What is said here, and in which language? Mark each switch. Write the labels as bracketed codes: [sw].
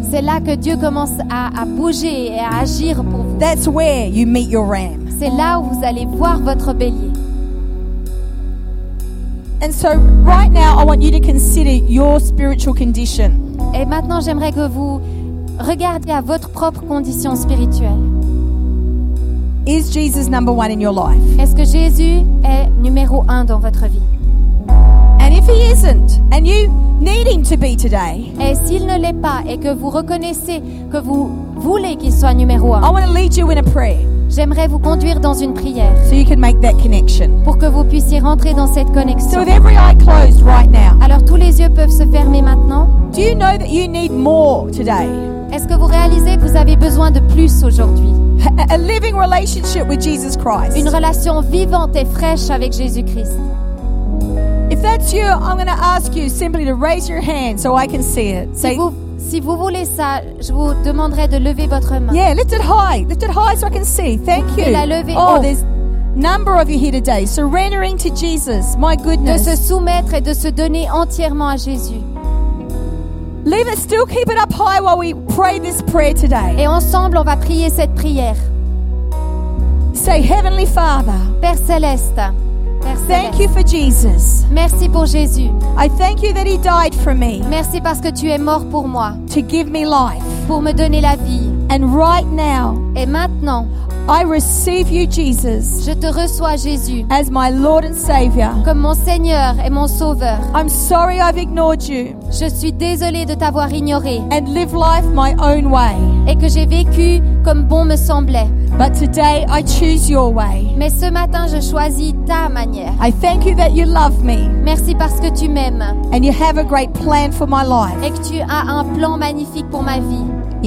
[fr] C'est là que Dieu commence à bouger et à agir pour vous. [en] That's where you meet your ram. [fr] C'est là où vous allez voir votre bélier. [en] And so right now I want you to consider your spiritual condition. [fr] Et maintenant j'aimerais que vous regardiez à votre propre condition spirituelle. [en] Is Jesus number one in your life? [fr] Est-ce que Jésus est numéro un dans votre vie? [en] And if he isn't, and you need him to be today, [fr] et s'il ne l'est pas et que vous reconnaissez que vous voulez qu'il soit numéro un, [en] I want to lead you in a prayer. [fr] J'aimerais vous conduire dans une prière. [en] So you can make that connection. [fr] Pour que vous puissiez rentrer dans cette connexion. [en] So with every eye closed right now. [fr] Alors tous les yeux peuvent se fermer maintenant. [en] Do you know that you need more today? [fr] Est-ce que vous réalisez que vous avez besoin de plus aujourd'hui? [en] A living relationship with Jesus Christ. [fr] Une relation vivante et fraîche avec Jésus-Christ. [en] If that's you, I'm going to ask you simply to raise your hand so I can see it. [fr] Si vous voulez ça, je vous demanderai de lever votre main. [en] Yeah, lift it high so I can see. Thank you. [fr] La lever haut. [en] Oh, there's number of you here today surrendering to Jesus. My goodness. [fr] De se soumettre et de se donner entièrement à Jésus. [en] Leave it, still keep it up high while we pray this prayer today. [fr] Et ensemble, on va prier cette prière. [en] Say, Heavenly Father. [fr] Père céleste. Père [en] thank [fr] céleste. [en] You for Jesus. [fr] Merci pour Jésus. [en] I thank you that He died for me. [fr] Merci parce que tu es mort pour moi. [en] To give me life. [fr] Pour me donner la vie. [en] And right now. [fr] Et maintenant. [en] I receive you, Jesus. [fr] Je te reçois, Jésus. [en] As my Lord and Savior. [fr] Comme mon Seigneur et mon Sauveur. [en] I'm sorry I've ignored you. [fr] Je suis désolée de t'avoir ignoré. [en] And live life my own way. [fr] Et que j'ai vécu comme bon me semblait. [en] But today I choose your way. [fr] Mais ce matin je choisis ta manière. [en] I thank you that you love me. [fr] Merci parce que tu m'aimes. [en] And you have a great plan for my life. [fr] Et que tu as un plan magnifique pour ma vie.